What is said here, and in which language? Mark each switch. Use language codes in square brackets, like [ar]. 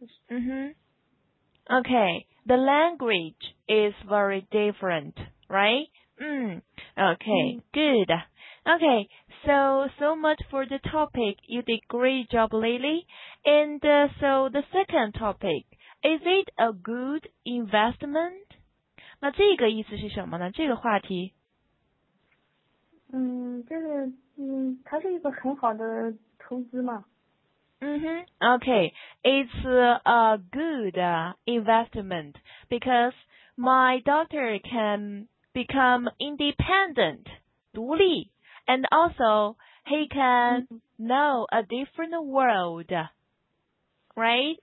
[en] Okay, the language is very different, right? Okay, good. Okay, so much for the topic. You did great job, Lily. And so the second topic, is it a good investment? [zh] 那这个意思是什么呢？这个话题？它是一个很好的投资嘛。 [en] Okay, it's a good investment because my daughter can become independent, 独立, and also he can know a different world, right?